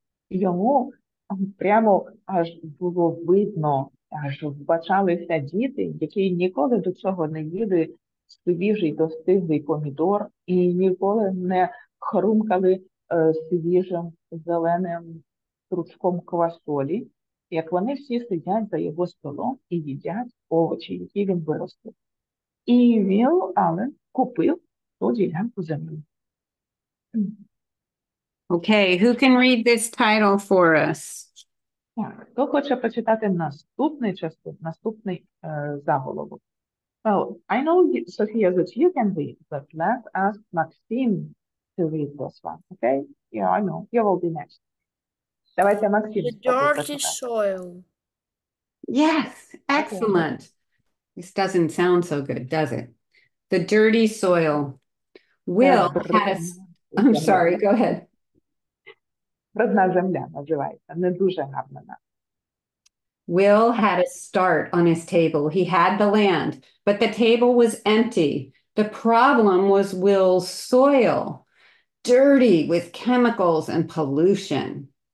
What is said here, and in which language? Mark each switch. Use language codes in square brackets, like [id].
[uk] Йому прямо аж було видно, аж вбачалися діти, які ніколи до цього не їли свіжий достиглий помідор і ніколи не хрумкали свіжим зеленим стручком квасолі, як вони всі сидять за його столом і їдять овочі, які він виростив. І Вілл Аллен купив ту ділянку землі. [en] Okay, who can read this title for us? [uk] Хто хоче прочитати наступну частину, наступний заголовок? [en] Well, I know, Sophia, that you can read, but let's ask Maxim to read this one, okay? Yeah, I know, you will be next. [uk] Давайте, [en] Maxim. The dirty soil. Yes, excellent. Okay. This doesn't sound so good, does it? The dirty soil. Will has... I'm sorry, go ahead. [uk] Брудна земля називається, не дуже гарна. [en] Will had a start on his table. He had the land, but the table was empty. The problem was Will's soil, dirty with chemicals and pollution.